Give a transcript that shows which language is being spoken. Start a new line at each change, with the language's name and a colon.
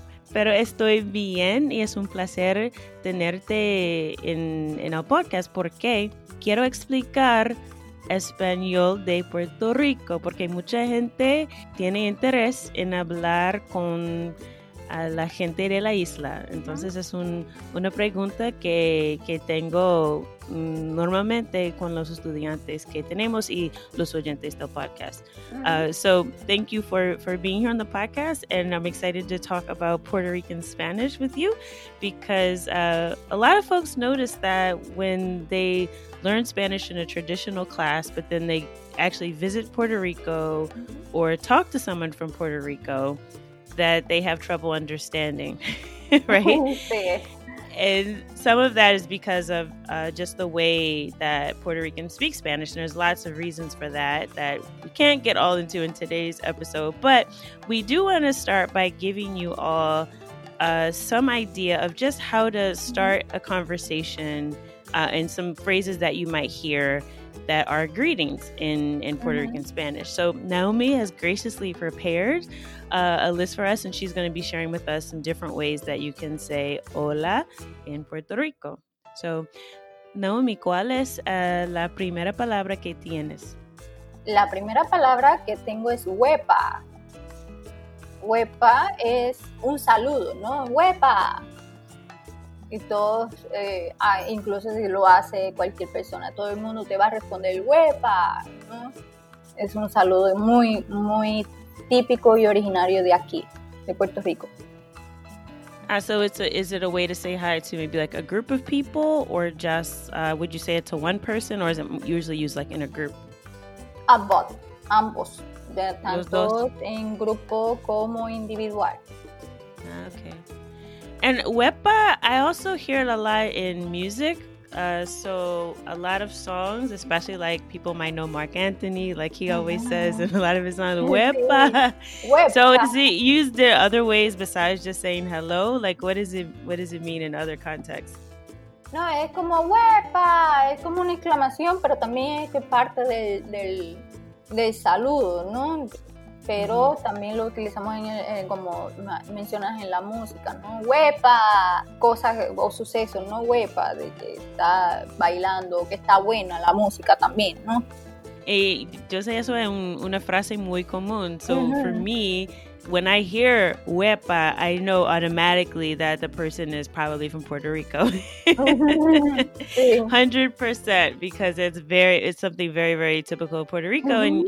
Spanish: Pero estoy bien y es un placer tenerte en el podcast, porque quiero explicar español de Puerto Rico, porque mucha gente tiene interés en hablar con a la gente de la isla. Entonces es una pregunta que tengo normalmente con los estudiantes que tenemos y los oyentes del podcast.
English: So thank you for being here on the podcast, and I'm excited to talk about Puerto Rican Spanish with you, because a lot of folks notice that when they learn Spanish in a traditional class, but then they actually visit Puerto Rico or talk to someone from Puerto Rico, that they have trouble understanding, right? And some of that is because of just the way that Puerto Ricans speak Spanish. And there's lots of reasons for that that we can't get all into in today's episode. But we do want to start by giving you all some idea of just how to start a conversation and some phrases that you might hear that are greetings in Puerto Rican Spanish. So Naomi has graciously prepared a list for us, and she's going to be sharing with us some different ways that you can say hola in Puerto Rico.
Spanish: So Naomi, ¿cuál es la primera palabra que tienes? La primera palabra que tengo es huepa. Huepa es un saludo, ¿no? Huepa. Y todos, incluso si lo hace cualquier persona, todo el mundo te va a responder huepa, ¿no? Es un saludo muy, muy típico y originario de aquí, de Puerto Rico.
English: Ah, so is it a way to say hi to maybe like a group of people, or just would you say it to one person, or is it usually used like in a group?
Spanish: Ambos, tanto en grupo como individual.
English: Ah, okay. And huepa, I also hear it a lot in music. So a lot of songs, especially like people might know Mark Anthony, like he always says in a lot of his songs, huepa. So is it used in other ways besides just saying hello? Like what does it mean in other contexts?
Spanish: No, es como huepa, es como una exclamación, pero también es que parte del saludo, ¿no? Pero también lo utilizamos en como mencionas en la música, ¿no? Huepa, cosas o sucesos, ¿no? Huepa, de que está bailando, que está buena la música también, ¿no? Yo sé, eso es una frase muy común.
English: So for me, when I hear huepa, I know automatically that the person is probably from Puerto Rico. 100%, because it's something very, very typical of Puerto Rico.